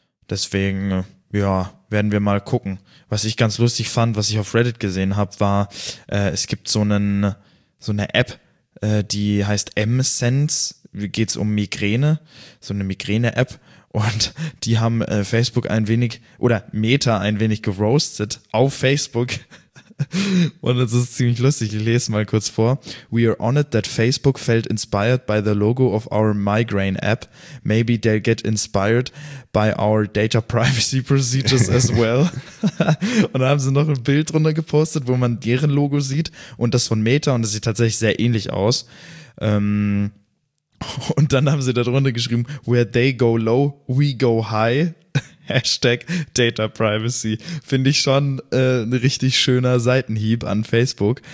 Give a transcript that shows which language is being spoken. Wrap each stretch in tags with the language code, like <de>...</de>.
<de>Deswegen, ja, werden wir mal gucken. Was ich ganz lustig fand, was ich auf Reddit gesehen habe, war, es gibt so eine App, die heißt M-Sense. Geht es um Migräne, so eine Migräne-App. Und die haben Facebook ein wenig oder Meta ein wenig geroastet auf Facebook. Und das ist ziemlich lustig. Ich lese mal kurz vor.</de> <en>We are honored that Facebook felt inspired by the logo of our migraine app. Maybe they'll get inspired by our data privacy procedures as well.</en> <de>Und da haben sie noch ein Bild drunter gepostet, wo man deren Logo sieht und das von Meta. Und das sieht tatsächlich sehr ähnlich aus. Und dann haben sie darunter geschrieben,</de> <en>where they go low, we go high.</en> <de>Hashtag Data Privacy. Finde ich schon ein richtig schöner Seitenhieb an Facebook.</de>